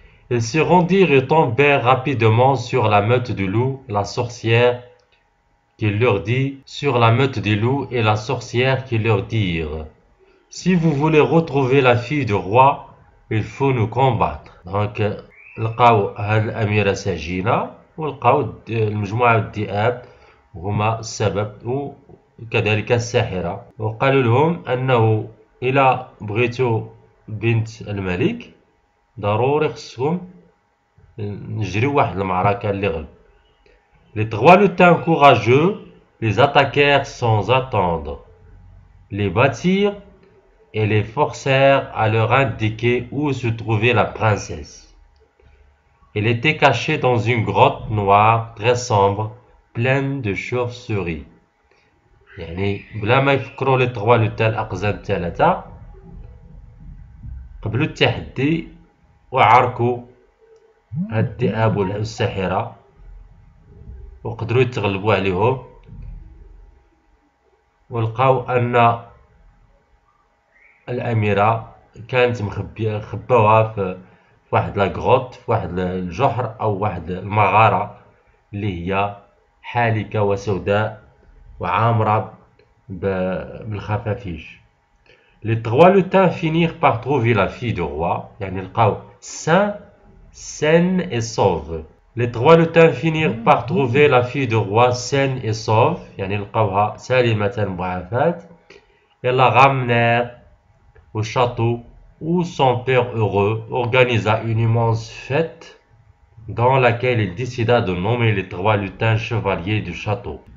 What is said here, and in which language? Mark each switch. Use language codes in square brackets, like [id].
[fr] Ils se rendirent et tombèrent rapidement sur la meute du loup, la sorcière qui leur dit, sur la meute des loups et la sorcière qui leur dirent, si vous voulez retrouver la fille du roi, il faut nous combattre. [ar] Donc, القاو هاد الأميرة سجينة والقاو المجموعة الذئاب هما السبب وكذلك الساحرة، وقالوا لهم أنه إلى بغيتوا بنت الملك ضروري خصهم نجريو واحد المعركة اللي غلب. [fr] لي تغوا لوتان كوراجو لي اتاكير سون اتوندر لي باتير اي لي فورسير ا لور انديكي او سو تروفي لا برانسيس. Elle était cachée dans une grotte noire très sombre pleine de chauves-souris. [ar] يعني بلا ما يفكروا لي تغوا لوتان الاقزام الثلاثة قبلوا التحدي وعركوا الذئاب والساحرة وقدروا يتغلبوا عليهم، ولقاو أن الأميرة كانت مخبية خباوها في واحد لا غروت، في واحد الجحر أو واحد المغارة اللي هي حالكة وسوداء وعامرة بالخفافيش. [fr] Les trois lutins finirent par trouver la fille du roi, يعني لقاو سان saine et sauve. Les trois lutins finirent par trouver la fille du roi saine et sauve, يعني لقاوها سالمة معافاة, et la ramenèrent au château où son père heureux organisa une immense fête dans laquelle il décida de nommer les trois lutins chevaliers du château.